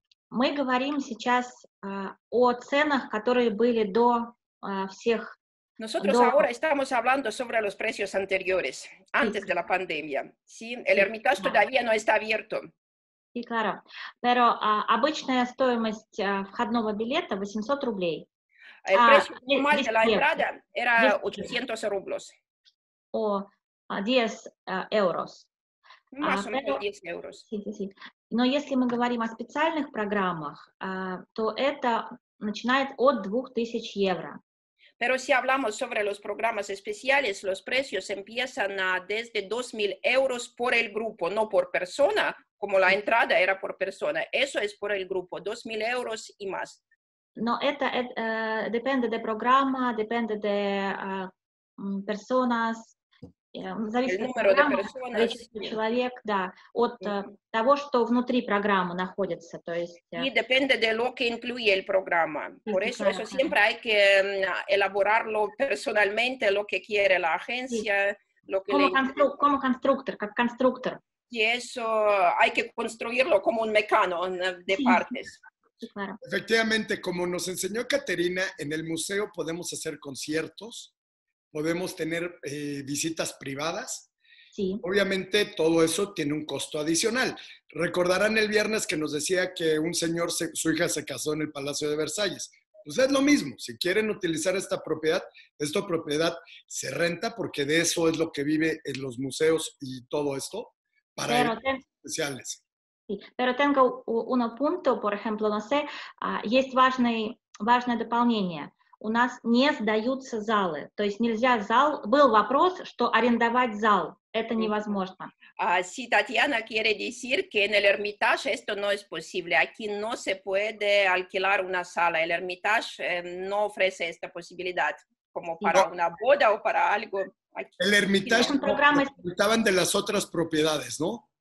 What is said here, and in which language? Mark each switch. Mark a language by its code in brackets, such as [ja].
[ru] Мы говорим сейчас о ценах, которые были до всех... [es] Nosotros ahora estamos hablando sobre los precios anteriores, antes de la pandemia. Sí, el Hermitage todavía no está abierto. Sí, claro. Pero [ru] обычная стоимость входного билета 800 рублей. [es] El precio normal de la entrada era 800 рублей. O 10 euros. Más o menos 10 euros. Sí. [ru] Но если мы говорим о специальных программах, то это начинает от 2000 евро. [es] Pero si hablamos sobre los programas especiales, los precios empiezan desde 2.000 euros por el grupo, no por persona, como la entrada era por persona. Eso es por el grupo, 2.000 euros y más. No, depende de programa, depende de personas. El número de personas. [ru] Того, что внутри программы находится, то есть... И [es] depende de lo que incluye el programa. Por eso, eso siempre hay que elaborarlo personalmente, lo que quiere la agencia, lo que... Como [ru] конструктор, как конструктор. [es] Y eso hay que construirlo como un mecano de partes. Efectivamente, como nos enseñó Caterina, en el museo podemos hacer conciertos, podemos tener visitas privadas. Sí. Obviamente, todo eso tiene un costo adicional. Recordarán el viernes que nos decía que un señor, su hija se casó en el Palacio de Versalles. Pues es lo mismo. Si quieren utilizar esta propiedad se renta porque de eso es lo que vive en los museos y todo esto para especiales. Sí. Pero tengo un punto, por ejemplo, no sé, [ru] есть важное дополнение. у нас не сдаются залы. То есть нельзя зал... Был вопрос, что арендовать зал. Это невозможно. [es] Sí, Tatiana quiere decir que en el Hermitage esto no es posible. Aquí no se puede alquilar una sala. El Hermitage no ofrece esta posibilidad como para una boda o para algo. Aquí. El Hermitage no, estaban de las otras propiedades, ¿no?